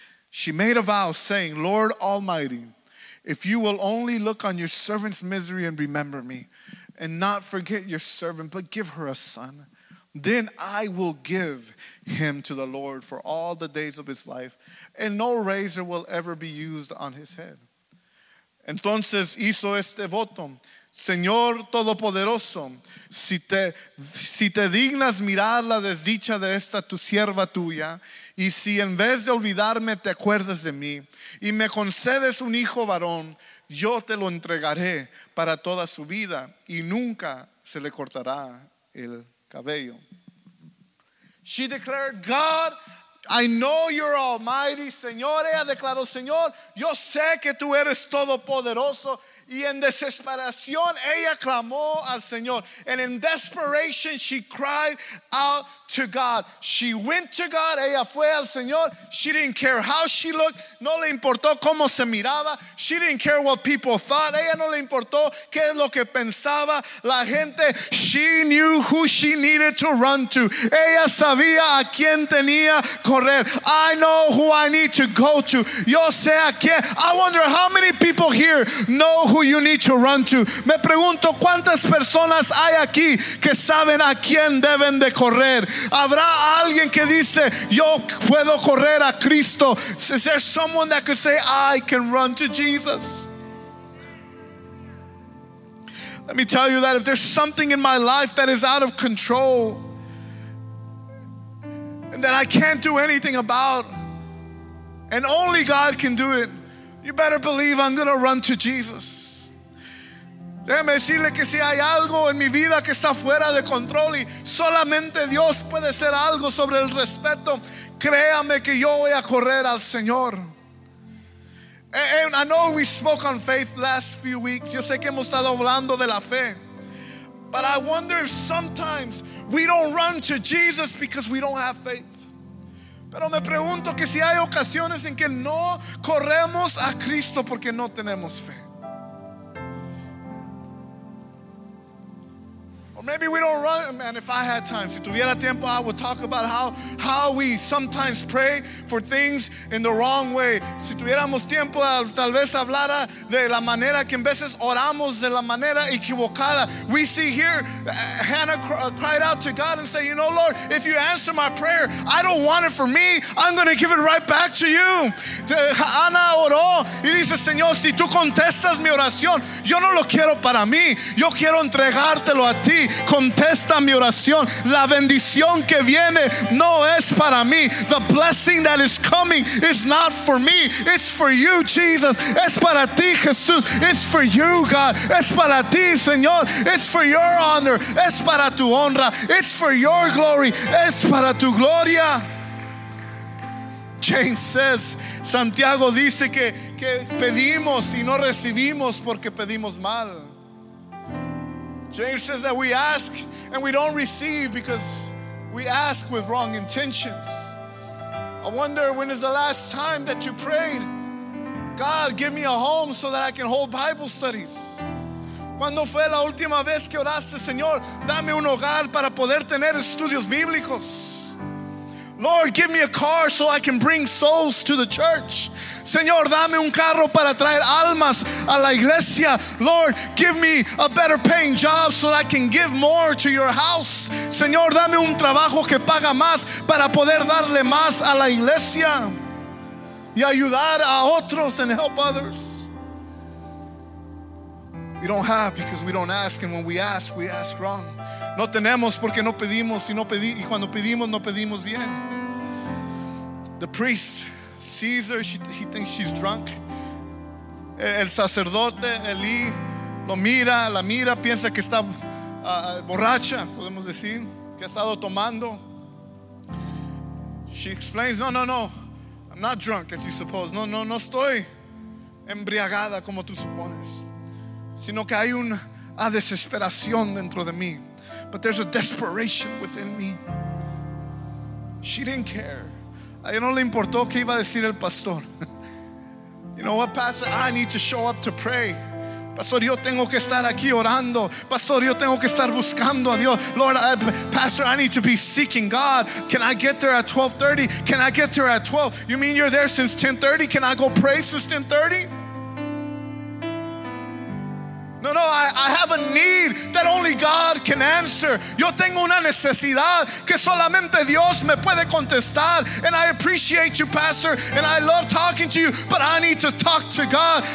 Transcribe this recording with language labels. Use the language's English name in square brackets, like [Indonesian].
[English] She made a vow saying, Lord Almighty, if you will only look on your servant's misery and remember me, and not forget your servant, but give her a son, then I will give him to the Lord for all the days of his life, and no razor will ever be used on his head. [Spanish] Entonces hizo este voto. Señor Todopoderoso, si te dignas mirar la desdicha de esta tu sierva tuya, y si en vez de olvidarme te acuerdas de mí, y me concedes un hijo varón, yo te lo entregaré para toda su vida, y nunca se le cortará el cabello. [English] She declared, God, I know you're almighty. [Spanish] Señor, ella declaró, Señor, yo sé que tú eres todopoderoso. Y en desesperación, ella clamó al Señor. [English] And in desperation, she cried out to God. She went to God. [Spanish] Ella fue al Señor. [English] She didn't care how she looked. [Spanish] No le importó cómo se miraba. [English] She didn't care what people thought. [Spanish] Ella no le importó qué es lo que pensaba la gente. [English] She knew who she needed to run to. [Spanish] Ella sabía a quién tenía correr. [English] I know who I need to go to. [Spanish] Yo sé a quién. [English] I wonder how many people here know who you need to run to. [Spanish] Me pregunto cuántas personas hay aquí que saben a quién deben de correr. Habrá alguien que dice, yo puedo correr a Cristo. [English] Is there someone that could say, I can run to Jesus? Let me tell you that if there's something in my life that is out of control and that I can't do anything about, and only God can do it, you better believe I'm going to run to Jesus. [Spanish] Déjeme decirle que si hay algo en mi vida que está fuera de control y solamente Dios puede hacer algo sobre el respeto, créame que yo voy a correr al Señor. [English] And I know we spoke on faith last few weeks. [Spanish] Yo sé que hemos estado hablando de la fe. [English] But I wonder if sometimes we don't run to Jesus because we don't have faith. [Spanish] Pero me pregunto que si hay ocasiones en que no corremos a Cristo porque no tenemos fe. [English] Maybe we don't run, man. If I had time, [Spanish] si tuviera tiempo, [English] I would talk about how we sometimes pray for things in the wrong way. [Spanish] Si tuviéramos tiempo, tal vez hablara de la manera que en veces oramos de la manera equivocada. [English] We see here, Hannah cried out to God and said, you know, Lord, if you answer my prayer, I don't want it for me. I'm going to give it right back to you. [Spanish] Ana oró y dice, Señor, si tú contestas mi oración, yo no lo quiero para mí. Yo quiero entregártelo a ti. Contesta mi oración. La bendición que viene no es para mí. [English] The blessing that is coming is not for me. It's for you, Jesus. [Spanish] Es para ti, Jesús. [English] It's for you, God. [Spanish] Es para ti, Señor. [English] It's for your honor. [Spanish] Es para tu honra. [English] It's for your glory. [Spanish] Es para tu gloria. [English] James says, [Spanish] Santiago dice que pedimos y no recibimos porque pedimos mal. [English] James says that we ask and we don't receive because we ask with wrong intentions. I wonder, when is the last time that you prayed, God, give me a home so that I can hold Bible studies? [Spanish] ¿Cuándo fue la última vez que oraste, Señor, dame un hogar para poder tener estudios bíblicos? [English] Lord, give me a car so I can bring souls to the church. [Spanish] Señor, dame un carro para traer almas a la iglesia. [English] Lord, give me a better paying job so that I can give more to your house. [Spanish] Señor, dame un trabajo que paga más para poder darle más a la iglesia y ayudar a otros [English] and help others. We don't have because we don't ask, and when we ask wrong. [Spanish] No tenemos porque no pedimos, y cuando pedimos, no pedimos bien. [English] The priest, Caesar, he thinks she's drunk. [Spanish] El sacerdote, Eli, lo mira, la mira, piensa que está borracha, podemos decir, que ha estado tomando. [English] She explains, no, I'm not drunk as you suppose. [Spanish] No estoy embriagada como tú supones, sino que hay una desesperación dentro de mí. [English] But there's a desperation within me. She didn't care. [Spanish] A ella no le importó qué iba a decir el pastor. [English] You know what, pastor? I need to show up to pray. [Spanish] Pastor, yo tengo que estar aquí orando. Pastor, yo tengo que estar buscando a Dios. [English] Lord, pastor, I need to be seeking God. Can I get there at 12:30? Can I get there at 12? You mean you're there since 10:30? Can I go pray since 10:30? No, I have a need that only God can answer. [Spanish] Yo tengo una necesidad que solamente Dios me puede contestar. [English] And I appreciate you, pastor, and I love talking to you, but I need to talk to God.